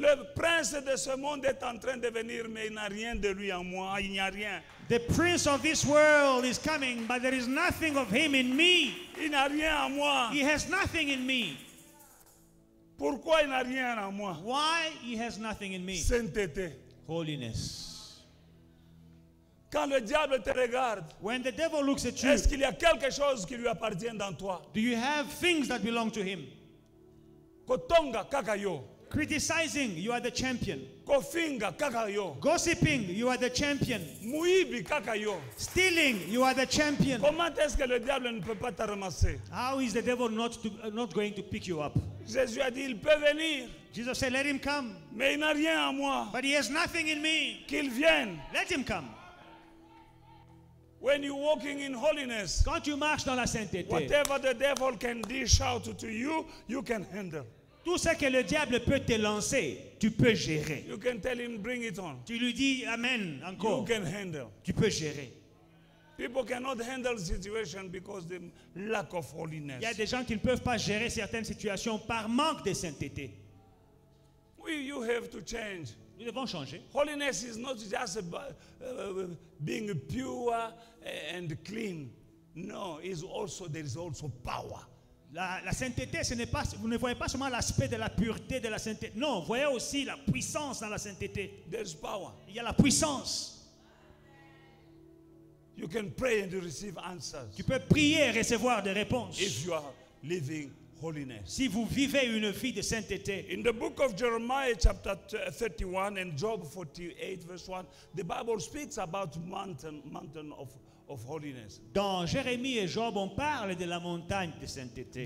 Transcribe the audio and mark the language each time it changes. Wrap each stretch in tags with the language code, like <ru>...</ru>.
<fr>Le prince de ce monde est en train de venir, mais il n'y a rien de lui en moi. Il n'y a rien.</fr> <en>The prince of this world is coming, but there is nothing of him in me.</en> <fr>Il n'y a rien en moi.</fr> <en>He has nothing in me.</en> <fr>Pourquoi il n'a rien en moi?</fr> <en>Why he has nothing in me?</en> <fr>Sainteté.</fr> <en>Holiness.</en> <fr>Quand le diable te regarde,</fr> <en>when the devil looks at you,</en> <fr>est-ce qu'il y a quelque chose qui lui appartient dans toi?</fr> <en>Do you have things that belong to him?</en> <ln>Kotonga kakayo.</ln> <en>Criticizing, you are the champion.</en> <ln>Kofinga kakayo.</ln> <en>Gossiping, you are the champion.</en> <ln>Muibi kakayo.</ln> <en>Stealing, you are the champion.</en> <fr>Comment est-ce que le diable ne peut pas te ramasser?</fr> <en>How is the devil not going to pick you up?</en> <fr>Jésus a dit, il peut venir.</fr> <en>Jesus said, let him come.</en> <fr>Mais il n'a rien en moi.</fr> <en>But he has nothing in me.</en> <fr>Qu'il vienne.</fr> <en>Let him come. When you're walking in holiness,</en> <fr>quand tu marches dans la sainteté,</fr> <en>whatever the devil can dish out to you, you can handle.</en> <fr>Tout ce que le diable peut te lancer, tu peux gérer.</fr> <en>You can tell him, bring it on.</en> <fr>Tu lui dis, amen, encore.</fr> <en>You can handle.</en> <fr>Tu peux gérer.</fr> <en>People cannot handle situation because the lack of holiness.</en> <fr>Il y a des gens qui ne peuvent pas gérer certaines situations par manque de sainteté.</fr> <en>We, you have to change.</en> <fr>Nous devons changer.</fr> <en>Holiness is not just about being pure and clean. No, is also there is also power.</en> <fr>La sainteté, ce n'est pas, vous ne voyez pas seulement l'aspect de la pureté de la sainteté. Non, vous voyez aussi la puissance dans la sainteté.</fr> <en>There is power.</en> <fr>Il y a la puissance.</fr> <en>You can pray and receive answers.</en> <fr>Tu peux prier et recevoir des réponses.</fr> <en>If you are living holiness.</en> <fr>Si vous vivez une vie de sainteté.</fr> <en>In the book of Jeremiah chapter 31 and Job 48 verse 1, the Bible speaks about mountain of holiness.</en> <fr>Dans Jérémie et Job, on parle de la montagne de sainteté.</fr>